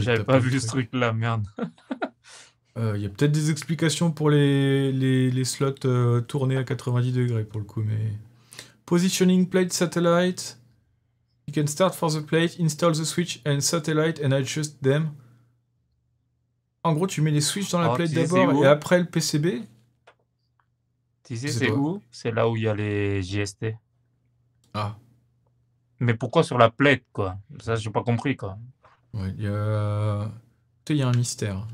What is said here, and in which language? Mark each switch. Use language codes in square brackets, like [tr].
[fr] j'avais pas vu ce truc là, merde. Il y a peut-être des explications pour les slots tournés à 90 degrés pour le coup, mais. [en] Positioning plate satellite. You can start for the plate, install the switch and satellite and adjust them. [fr] En gros, tu mets les switches dans la plate d'abord et après le PCB. Tu sais, c'est où? C'est là où il y a les JST. Ah. Mais pourquoi sur la plate, quoi? Ça, j'ai pas compris, quoi. Ouais, il y a. Il y a un mystère.